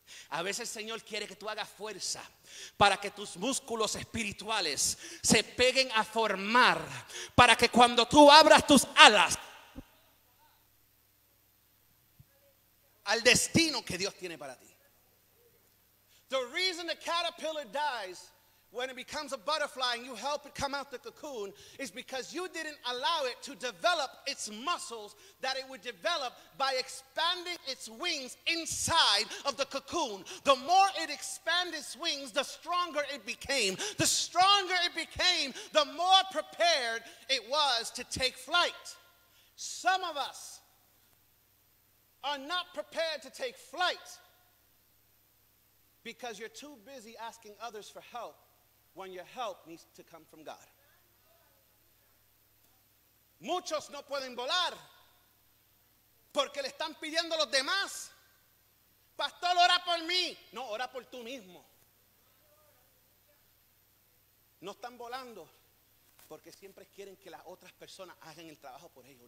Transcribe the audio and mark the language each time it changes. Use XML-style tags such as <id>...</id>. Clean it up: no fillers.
<es>A veces el Señor quiere que tú hagas fuerza para que tus músculos espirituales se peguen a formar, para que cuando tú abras tus alas al destino que Dios tiene para ti.</es> <en>The reason the caterpillar dies when it becomes a butterfly and you help it come out the cocoon is because you didn't allow it to develop its muscles that it would develop by expanding its wings inside of the cocoon. The more it expanded its wings, the stronger it became. The stronger it became, the more prepared it was to take flight. Some of us are not prepared to take flight because you're too busy asking others for help when your help needs to come from God.</en> <es>Muchos no pueden volar porque le están pidiendo a los demás. Pastor, ora por mí. No, ora por tú mismo. No están volando porque siempre quieren que las otras personas hagan el trabajo por ellos.</es>